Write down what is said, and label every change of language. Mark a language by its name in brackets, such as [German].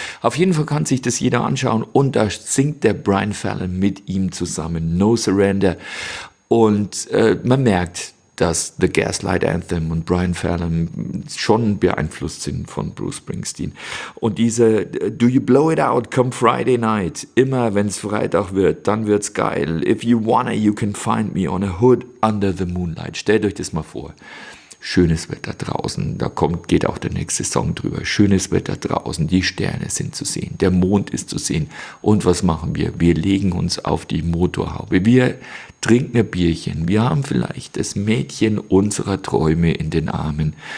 [German] Auf jeden Fall kann sich das jeder anschauen, und da singt der Brian Fallon mit ihm zusammen No Surrender. Und man merkt, dass The Gaslight Anthem und Brian Fallon schon beeinflusst sind von Bruce Springsteen. Und diese [English] Do You Blow It Out Come Friday Night, [German] immer wenn es Freitag wird, dann wird's geil. [English] If you wanna, you can find me on a hood under the moonlight. [German] Stellt euch das mal vor. Schönes Wetter draußen, da kommt, geht auch der nächste Song drüber. Schönes Wetter draußen, die Sterne sind zu sehen, der Mond ist zu sehen. Und was machen wir? Wir legen uns auf die Motorhaube. Wir trinken ein Bierchen. Wir haben vielleicht das Mädchen unserer Träume in den Armen.